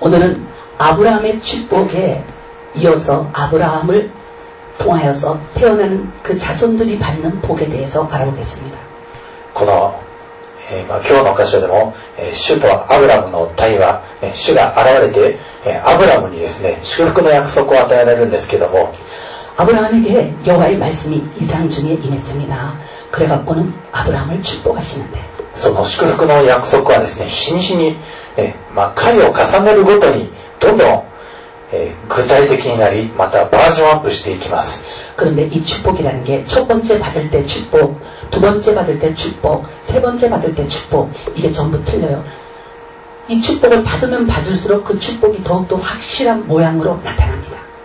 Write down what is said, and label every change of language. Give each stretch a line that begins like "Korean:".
Korean: 오늘은아브라함의축복에이어서아브라함을통하여서태어난그자손들이받는복에대해서알아보겠습니다。
Japanese: この、今日の箇所でも、主とアブラムの対話、主が現れて、アブラムにですね、祝福の約束を与えられるんですけども、
Korean: 아브라함에게여호와의말씀이이상중에임했습니다。 그래갖고는아브라함을축복하시는데
Japanese: その祝福の約束はですね、日に日に、まあ、回を重ねるごとに、どんどん、具体的になり、またバージョンアップしていきます。
Korean: 그런데이축복이라는게첫번째받을때축복두번째받을때축복세번째받을때축복이게전부틀려요이축복을받으면받을수록그축복이더욱더확실한모양으로나타납니다